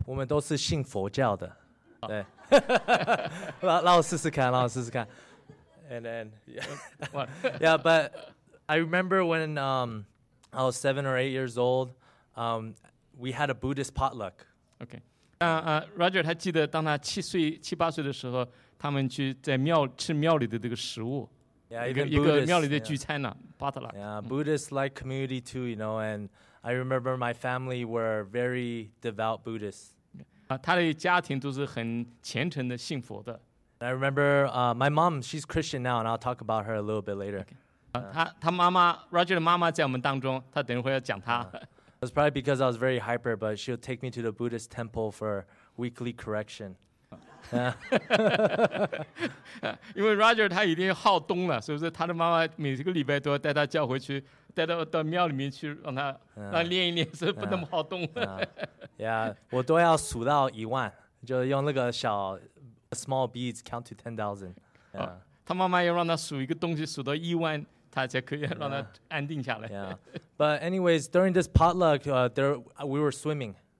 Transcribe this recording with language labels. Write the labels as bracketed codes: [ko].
[zh] 我们都是信佛教的。对。让我试试看。 [en] And then, yeah, but I remember when I was 7 or 8 years old, we had a Buddhist potluck. Okay. [zh] Roger, 他记得当他七八岁的时候，他们去在庙吃庙里的这个食物。一个庙里的聚餐呢，potluck。 [en] Yeah, Buddhist like community too, you know. And I remember my family were very devout Buddhists. [zh] 他的家庭都是很虔诚的信佛的。 [en] I remember my mom, she's Christian now, and I'll talk about her a little bit later. [zh] Okay. 他妈妈 Roger 的妈妈在我们当中， 他等一会要讲他。 [en] It was probably because I was very hyper, but she would take me to the Buddhist temple for weekly correction. [zh] 因为 Roger 他已经好动了， 所以说他的妈妈每个礼拜都要带他叫回去， 带到庙里面去让他 让他练一练， 所以不那么好动了。 Yeah, 我都要数到一万， 就用那个小 [en] small beads count to 10,000. [zh] 他妈妈要让他数一个东西数到一万， 他才可以让他安定下来。 [en] Yeah. Yeah. But anyways, during this potluck, we were swimming.